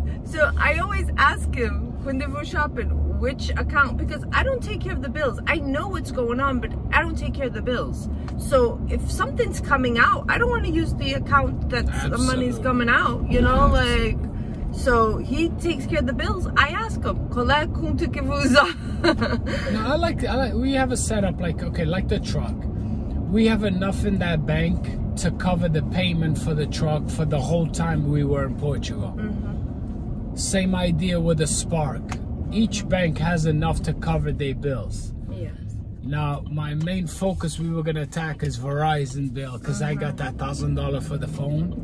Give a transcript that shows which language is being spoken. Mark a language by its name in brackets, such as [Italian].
[English] So I always ask him, when they go shopping, which account, because I don't take care of the bills. I know what's going on, but I don't take care of the bills. So if something's coming out, I don't want to use the account that the money's coming out, you know, like, so he takes care of the bills. I ask him, [Portuguese] qual é a conta que vou usar? [English] No, I like, we have a setup, like, okay, like the truck. We have enough in that bank to cover the payment for the truck for the whole time we were in Portugal. Mm-hmm. Same idea with the Spark. Each bank has enough to cover their bills. Yes. Now, my main focus we were going to attack is Verizon bill, because I got that $1,000 for the phone.